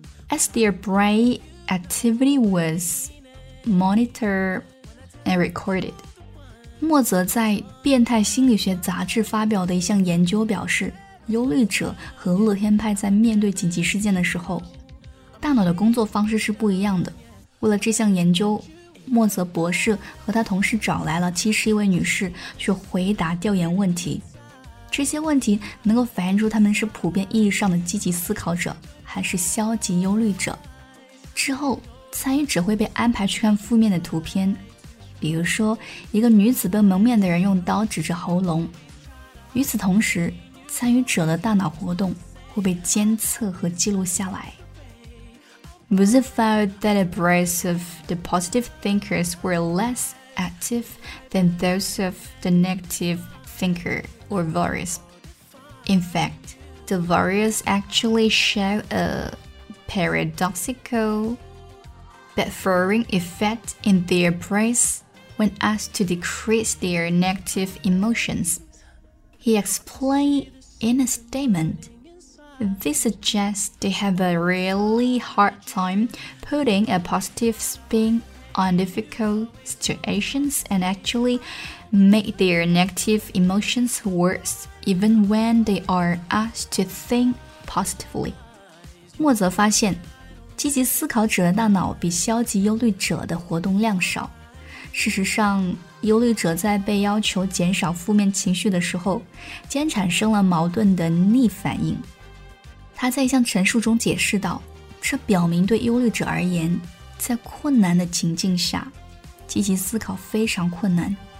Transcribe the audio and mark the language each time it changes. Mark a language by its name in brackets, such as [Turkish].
[English] As their brain activity was monitored and recorded. [Chinese] 莫泽在《变态心理学杂志》发表的一项研究表示，忧虑者和乐天派在面对紧急事件的时候，大脑的工作方式是不一样的。为了这项研究，莫泽博士和他同事找来了71位女士去回答调研问题，这些问题能够反映出他们是普遍意义上的积极思考者还是消极忧虑者。之后参与者会被安排去看负面的图片，比如说一个女子被蒙面的人用刀指着喉咙。与此同时，参与者的大脑活动会被监测和记录下来。 [English] Muzi found that the brains of the positive thinkers were less active than those of the negative thinker or worries. In fact, the worries actually show a paradoxical buffering effect in their brains when asked to decrease their negative emotions. He explained in a statement,This suggests they have a really hard time putting a positive spin on difficult situations and actually make their negative emotions worse even when they are asked to think positively. [Chinese] 莫泽发现，积极思考者的大脑比消极忧虑者的活动量少。事实上，忧虑者在被要求减少负面情绪的时候，竟然产生了矛盾的逆反应。他在一项陈述中解释道，这表明对忧虑者而言，在困难的情境下，积极思考非常困难。